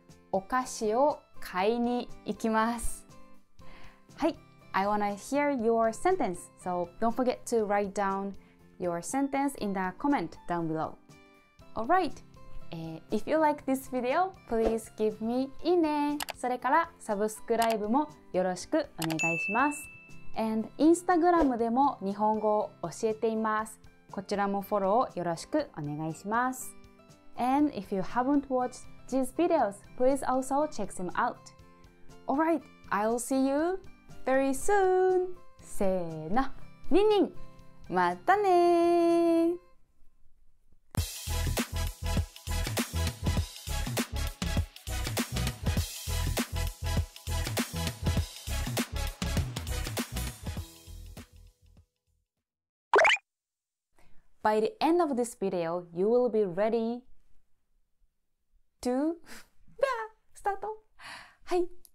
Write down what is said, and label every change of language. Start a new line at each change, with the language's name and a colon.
Japanese: お菓子を買いに行きます。
English: はい。I wanna hear your sentence. So, don't forget to write down your sentence in the comment down below. Alright, if you like this video, please give me いいね。
Japanese: それからサブスクライブもよろしくお願いします。 And Instagram でも日本語を教えています。こちらもフォローよろしくお願いします。
English: And if you haven't watched these videos, please also check them out. Alright, I'll see you very soon!
Japanese: せーの、にんにん!またねー
English: By the end of this video, you will be ready to... Start! Hi!